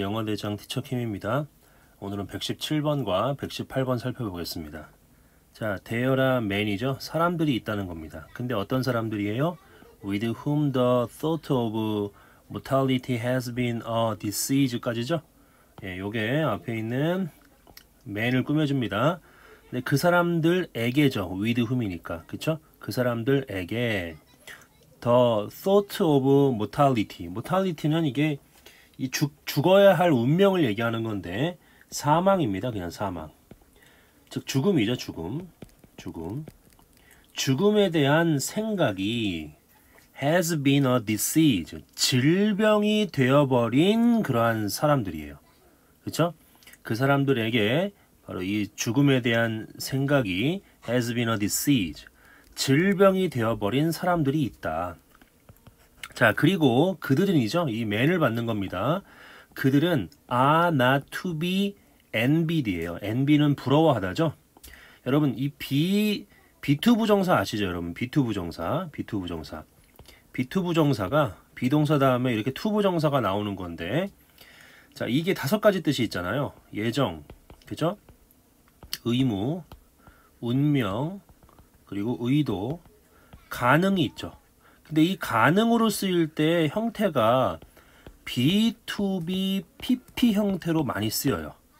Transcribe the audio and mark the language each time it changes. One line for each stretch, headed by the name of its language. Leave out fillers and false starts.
Korean: 영어대장 티처캠입니다. 오늘은 117번과 118번 살펴보겠습니다. 자, 대여라 맨이죠. 사람들이 있다는 겁니다. 근데 어떤 사람들이에요?
English: With whom the thought of mortality has been a disease까지죠.
Korean: 예, 요게 앞에 있는 맨을 꾸며줍니다. 근데 그 사람들에게죠.
English: With whom이니까.
Korean: 그쵸? 그 사람들에게.
English: The thought of mortality.
Korean: mortality는 이게 이 죽어야 할 운명을 얘기하는 건데, 사망입니다. 그냥 사망. 즉, 죽음이죠, 죽음. 죽음. 죽음에 대한 생각이
English: has been a disease.
Korean: 질병이 되어버린 그러한 사람들이에요. 그쵸? 그 사람들에게 바로 이 죽음에 대한 생각이
English: has been a disease.
Korean: 질병이 되어버린 사람들이 있다. 자, 그리고 그들은이죠. 이 맨을 받는 겁니다. 그들은
English: are not to be envied예요.
Korean: envy는 부러워하다죠. 여러분, 이 be to 부정사 아시죠? 여러분, be to 부정사, be to 부정사. be to 부정사가 비동사 다음에 이렇게 to 부정사가 나오는 건데, 자, 이게 다섯 가지 뜻이 있잖아요. 예정, 그죠? 의무, 운명, 그리고 의도, 가능이 있죠. 근데 이 가능으로 쓰일 때 형태가 be to be PP 형태로 많이 쓰여요.